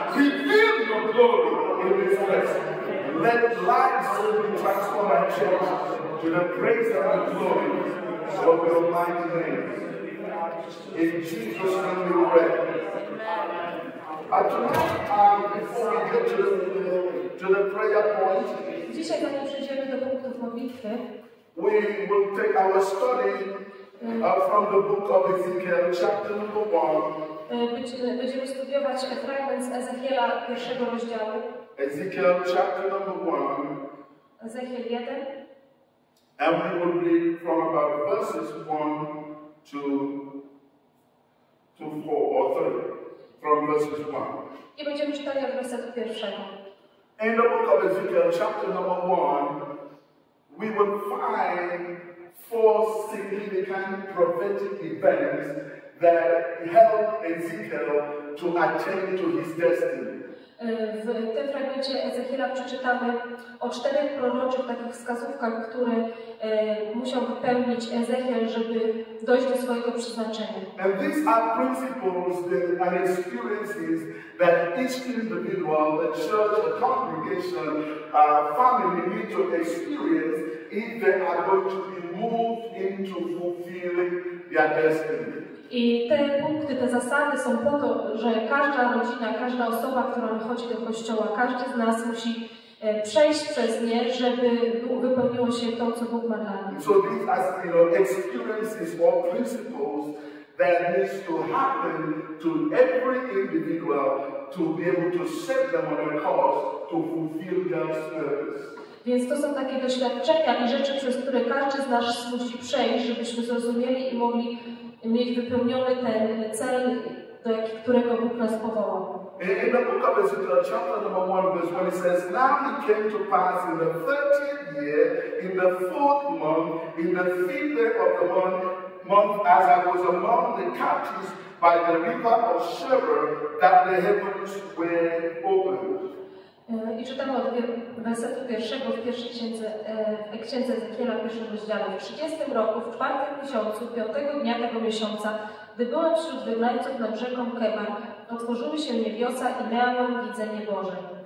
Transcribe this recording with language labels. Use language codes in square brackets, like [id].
[en] Reveal your glory in this place. Let lives be transformed and changed to the praise and the glory of your mighty name. In Jesus' name we pray. Amen. Tonight, before we get to the prayer point, [pl] dzisiaj, panie, przejdziemy do punktów modlitwy. [en] We will take our study from the book of Ezekiel, chapter number 1. [pl] Będziemy studiować fragment z Ezechiela, pierwszego rozdziału. [en] Ezekiel, chapter number 1. [pl] Ezechiel 1. [en] And we will read from about verses 1 to 4 or 3. From verses 1. [pl] I będziemy czytali od wersetu pierwszego. [en] In the book of Ezekiel, chapter number 1, we will find 4 significant prophetic events that help Ezekiel to attain to his destiny. [pl] W tym fragmencie Ezechiela przeczytamy o 4 proroczych takich wskazówkach, które musiał wypełnić Ezechiel, żeby dojść do swojego przeznaczenia. [en] And these are principles and experiences that each individual, the church, the congregation, family need to experience if they are going to be moved into fulfilling their destiny. [pl] I te punkty, te zasady są po to, że każda rodzina, każda osoba, która chodzi do kościoła, każdy z nas musi przejść przez nie, żeby wypełniło się to, co Bóg ma dla nas. [en] So these are, you know, experiences or principles that needs to happen to every individual to be able to set them on a course to fulfill God's purpose. [pl] Więc to są takie doświadczenia i rzeczy, przez które każdy z nas musi przejść, żebyśmy zrozumieli i mogli mieć wypełniony ten cel, do którego Bóg nas powołał. [en] In the book of Ezekiel, chapter number 1, verse 1, it says, now it came to pass in the 13th year, in the 4th month, in the 5th day of the month, as I was among the captives by the river of Sherer, that the heavens were opened. [pl] I czytamy od wersetu pierwszego w pierwszej księdze Ezechiela, pierwszym rozdziale. W 30 roku, w 4 miesiącu, 5 dnia tego miesiąca, gdy byłem wśród wyglańców nad rzeką Kebar, otworzyły się niebiosa i miałem widzenie Boże.